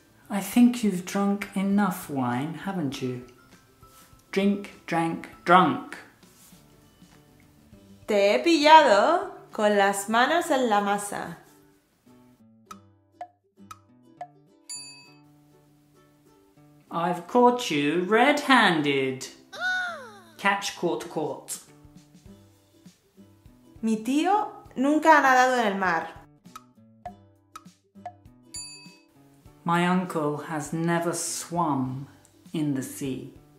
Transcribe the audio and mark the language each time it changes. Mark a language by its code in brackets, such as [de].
[en] I think you've drunk enough wine, haven't you? Drink, drank, drunk. [es] Te he pillado con las manos en la masa. [en] I've caught you red-handed. Catch, caught. [es] Mi tío nunca ha nadado en el mar. [en] My uncle has never swum in the sea.